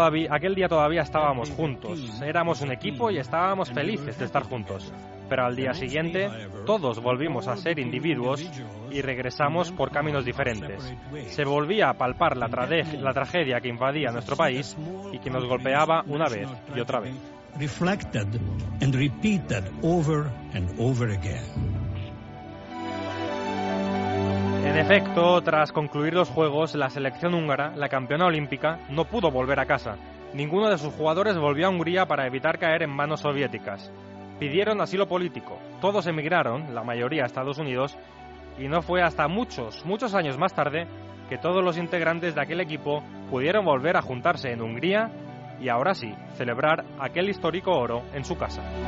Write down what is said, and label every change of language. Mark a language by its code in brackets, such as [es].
[es] Aquel día todavía estábamos juntos, éramos un equipo y estábamos felices de estar juntos. Pero al día siguiente, todos volvimos a ser individuos y regresamos por caminos diferentes. Se volvía a palpar la tragedia que invadía nuestro país y que nos golpeaba una vez y otra vez. [en] Reflected and repeated over and over again. [es] En efecto, tras concluir los Juegos, la selección húngara, la campeona olímpica, no pudo volver a casa. Ninguno de sus jugadores volvió a Hungría para evitar caer en manos soviéticas. Pidieron asilo político. Todos emigraron, la mayoría a Estados Unidos, y no fue hasta muchos, muchos años más tarde que todos los integrantes de aquel equipo pudieron volver a juntarse en Hungría y ahora sí, celebrar aquel histórico oro en su casa.